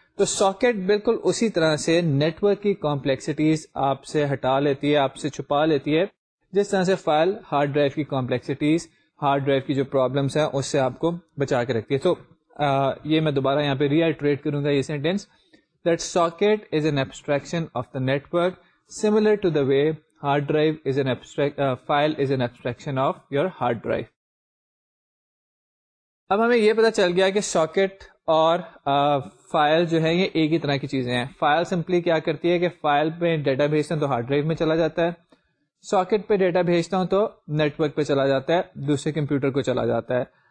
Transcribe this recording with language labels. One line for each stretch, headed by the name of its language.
Urdu: تو ساکٹ بالکل اسی طرح سے نیٹورک کی کمپلیکسٹیز آپ سے ہٹا لیتی ہے, آپ سے چھپا لیتی ہے, جس طرح سے فائل ہارڈ ڈرائیو کی کمپلیکسٹیز, ہارڈ ڈرائیو کی جو پرابلمس ہیں اس سے آپ کو بچا کے رکھتی ہے. تو یہ میں دوبارہ یہاں پہ ریٹریٹ کروں گا یہ sentence,
English: That socket is an abstraction of the network. similar to the way hard drive is an abstract file is an abstraction of your hard drive.
Urdu: اب ہمیں یہ پتا چل گیا کہ ساکٹ اور فائل جو ہے یہ ایک ہی طرح کی چیزیں ہیں. فائل سمپلی کیا کرتی ہے کہ فائل پہ ڈیٹا بھیجتا ہوں تو ہارڈ ڈرائیو میں چلا جاتا ہے, ساکٹ پہ ڈیٹا بھیجتا ہوں تو نیٹورک پہ چلا جاتا ہے, دوسرے کمپیوٹر کو چلا جاتا ہے.